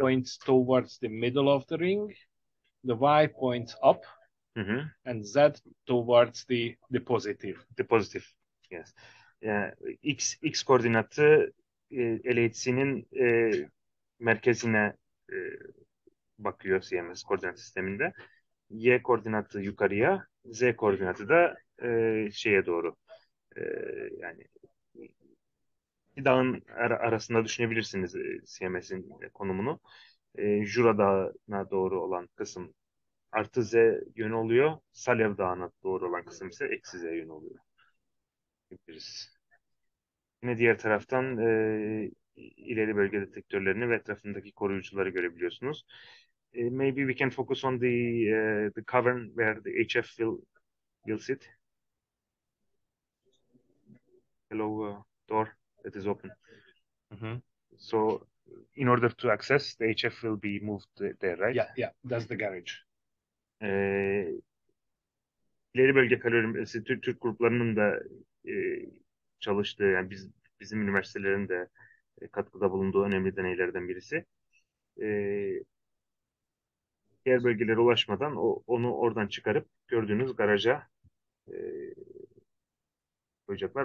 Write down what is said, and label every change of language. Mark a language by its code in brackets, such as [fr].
[en] points towards the middle of the ring, the y points up, and z towards the positive. The positive. Yes. [tr] Yani x koordinatı LHC'nin merkezine bakıyor CMS koordinat sisteminde. Y koordinatı yukarıya, z koordinatı da şeye doğru. Yani bir dağın arasında düşünebilirsiniz CMS'in konumunu. Jura Dağı'na doğru olan kısım artı z yönü oluyor. Salev Dağı'na doğru olan kısım ise eksi z yönü oluyor. Yine diğer taraftan ileri bölge detektörlerini ve etrafındaki koruyucuları görebiliyorsunuz. [en] Maybe we can focus on the cavern where the HF will sit. Hello, door that is open. So in order to access, the HF will be moved there, right? Yeah, yeah, that's the garage. [tr] İleri bölge kalorimetrisi Türk gruplarının da çalıştığı, yani bizim üniversitelerin de katkıda bulunduğu önemli deneylerden birisi. Diğer bölgelere ulaşmadan onu oradan çıkarıp gördüğünüz garaja koyacaklar.